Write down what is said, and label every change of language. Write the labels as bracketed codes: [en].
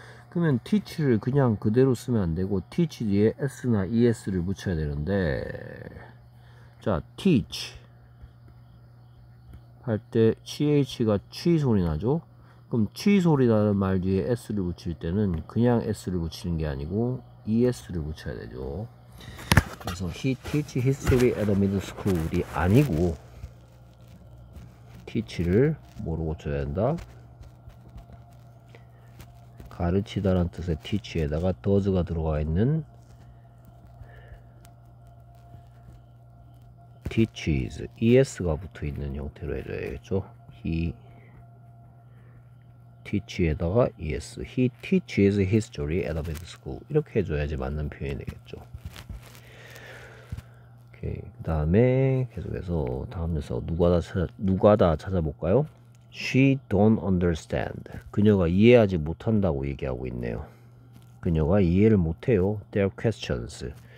[ko] 그러면 teach를 그냥 그대로 쓰면 안 되고 teach 뒤에 s나 es를 붙여야 되는데, 자, teach 할 때 ch가 취 소리 나죠? 그럼 취 소리 나는 말 뒤에 s를 붙일 때는 그냥 s를 붙이는 게 아니고 es를 붙여야 되죠. 그래서 [en] he teach history at the middle school이 [ko] 아니고 teach를 뭐로 붙여야 된다? 가르치다란 뜻의 teach에다가 does가 들어가 있는 teaches, es가 붙어 있는 형태로 해줘야겠죠. [en] he teach에다가 es, he teaches history at the middle school. [ko] 이렇게 해줘야지 맞는 표현이 되겠죠. 오케이. 그 다음에 계속해서 다음 녀석 누가다 찾아볼까요? [en] She don't understand. [ko] 그녀가 이해하지 못한다고 얘기하고 있네요. 그녀가 이해를 못해요. [en] Their questions.